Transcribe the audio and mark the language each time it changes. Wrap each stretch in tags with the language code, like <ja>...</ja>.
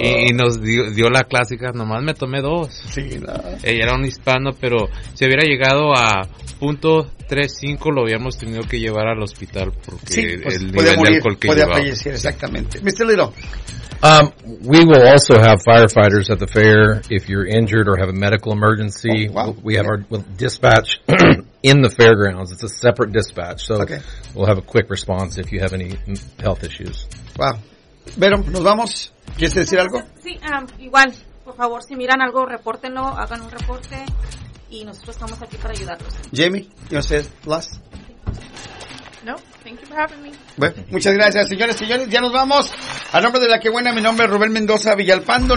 <es>Y nos dio la clásica, nomás me tomé 2. Sí, nada. No. Ella era un hispano, pero si hubiera llegado a 0.35, lo habíamos tenido que llevar al hospital porque sí, pues, el nivel morir, de alcohol que llevaba. Sí, podía fallecer, exactamente.</es> <en>Mr. Little. We will also have firefighters at the fair. If you're injured or have a medical emergency, we'll dispatch in the fairgrounds. It's a separate dispatch, so we'll have a quick response if you have any health issues.</en> <es>Wow. Vero, nos vamos. ¿Quieres decir algo? Sí, igual. Por favor, si miran algo, repórtenlo, hagan un reporte, y nosotros estamos aquí para ayudarlos.</es> <en>Jamie, you want to say it last? No, thank you for having me.</en> <es>Bueno, muchas gracias, señores, señores, ya nos vamos. A nombre de La Que Buena, mi nombre es Rubén Mendoza Villalpando.</es>